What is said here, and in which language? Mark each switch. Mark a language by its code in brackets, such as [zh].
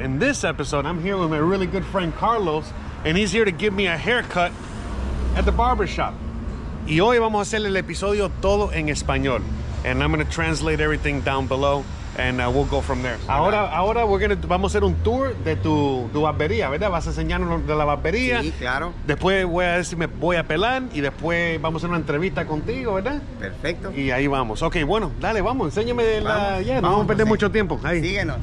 [en] In this episode, I'm here with my really good friend Carlos, and he's here to give me a haircut at the barbershop. [es] Y hoy vamos a hacer el episodio todo en español. [en] And I'm going to translate everything down below, and we'll go from there. [es] So ahora vamos a hacer un tour de tu barbería, ¿verdad? Vas a enseñarnos de la barbería. Sí, claro. Después voy a decir, me voy a pelar, y después vamos a hacer una entrevista contigo, ¿verdad? Perfecto. Y ahí vamos. Ok, bueno, dale, vamos, enséñame de la... Ya, yeah, no vamos a perder mucho tiempo. Ahí. Síguenos.